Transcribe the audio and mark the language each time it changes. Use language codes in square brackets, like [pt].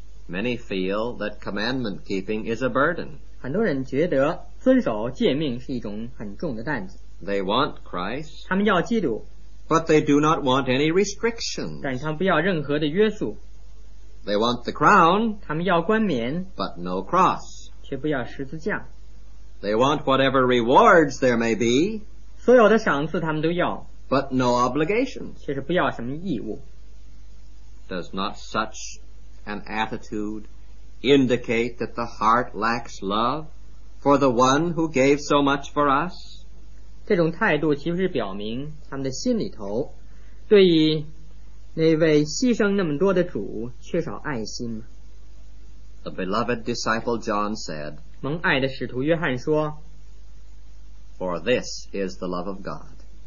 [en] Many feel that commandment keeping is a burden. [zh] 很多人觉得遵守诫命是一种很重的担子。 [en] They want Christ. [zh] 他们要基督。 [en] But they do not want any restrictions. [zh] 但他们不要任何的约束。 [en] They want the crown. [zh] 他们要冠冕。 [en] But no cross. [zh] 却不要十字架。 [en] They want whatever rewards there may be. [zh] 所有的赏赐他们都要。 [en] But no obligations. [zh] 却是不要什么义务。 [en] Does not such an attitude indicate that the heart lacks love for the one who gave so much for us? [zh] 这种态度其实是表明他们的心里头对于那位牺牲那么多的主缺少爱心。 [en] The beloved disciple John said, [zh] 蒙爱的使徒约翰说, [en] For this is the love of God.